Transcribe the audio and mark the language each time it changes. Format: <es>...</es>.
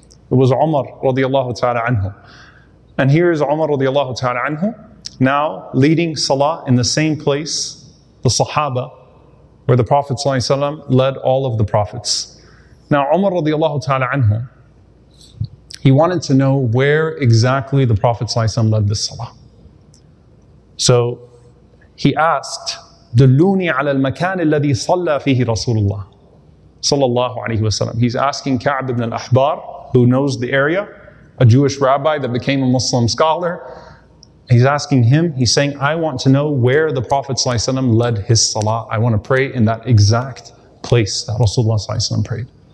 <en>It was Umar radiallahu ta'ala anhu. And here is Umar radiallahu ta'ala anhu, now leading salah in the same place, the Sahaba, where the Prophet ﷺ led all of the Prophets. Now Umar radiallahu ta'ala anhu, he wanted to know where exactly the Prophet ﷺ led this salah. So he asked,</en> <ar>دلوني على المكان الذي صلى فيه رسول الله صلى الله عليه وسلم.</ar> <en>He's asking Ka'b ibn al-Ahbar, who knows the area, a Jewish rabbi that became a Muslim scholar. He's asking him, he's saying, I want to know where the Prophet ﷺ led his salah. I want to pray in that exact place that Rasulullah ﷺ prayed.</en>